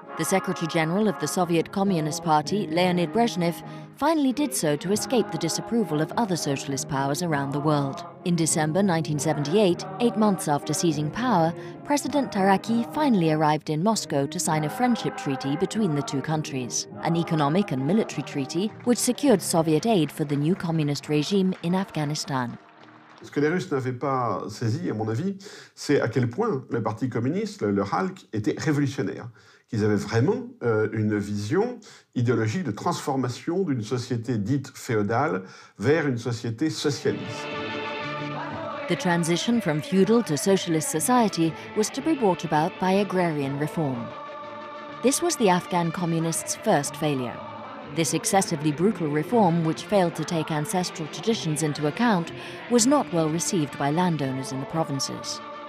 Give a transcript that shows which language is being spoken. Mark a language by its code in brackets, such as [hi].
[en] The Secretary General of the Soviet Communist Party, Leonid Brezhnev, finally did so to escape the disapproval of other socialist powers around the world. In December 1978, 8 months after seizing power, President Taraki finally arrived in Moscow to sign a friendship treaty between the two countries, an economic and military treaty which secured Soviet aid for the new communist regime in Afghanistan. [fr] Ce que les Russes n'avaient pas saisi, à mon avis, c'est à quel point le Parti communiste, le HALC, était révolutionnaire. Qu'ils avaient vraiment une vision, idéologie de transformation d'une société dite féodale vers une société socialiste. [en] The transition from feudal to socialist society was to be brought about by agrarian reform. This was the Afghan communists' first failure. This excessively brutal reform, which failed to take ancestral traditions into account, was not well received by landowners in the provinces.